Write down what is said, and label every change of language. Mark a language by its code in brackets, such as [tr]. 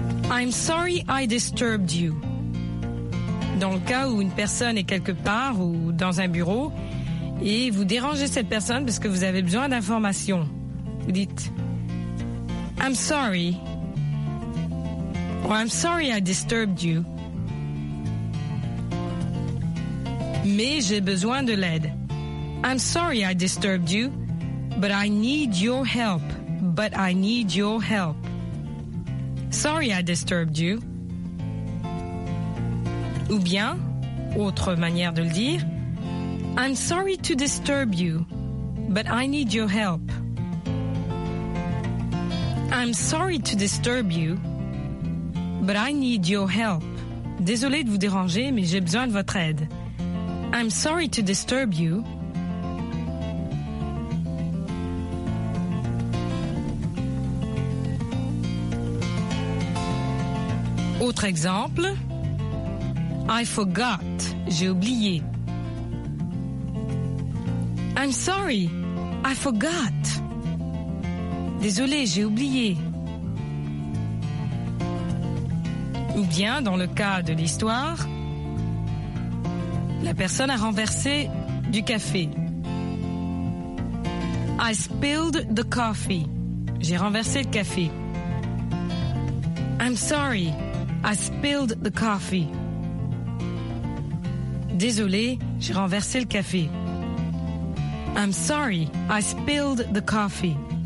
[en] I'm sorry I disturbed you. [fr] Dans le cas où une personne est quelque part ou dans un bureau et vous dérangez cette personne parce que vous avez besoin d'informations, vous dites [en] I'm sorry. Well, I'm sorry I disturbed you. [fr] Mais j'ai besoin de l'aide. [en] I'm sorry I disturbed you, but I need your help. But I need your help. Sorry I disturbed you. [fr] Ou bien, autre manière de le dire, [en] I'm sorry to disturb you, but I need your help. I'm sorry to disturb you, but I need your help. [fr] Désolé de vous déranger, mais j'ai besoin de votre aide. [en] I'm sorry to disturb you. [fr] Autre exemple. [en] I forgot. [fr] J'ai oublié. [en] I'm sorry. I forgot. [fr] Désolé, j'ai oublié. Ou bien, dans le cas de l'histoire, la personne a renversé du café. [en] I spilled the coffee. [fr] J'ai renversé le café. [en] I'm sorry. I spilled the coffee. [fr] Désolé, j'ai renversé le café. [en] I'm sorry, I spilled the coffee.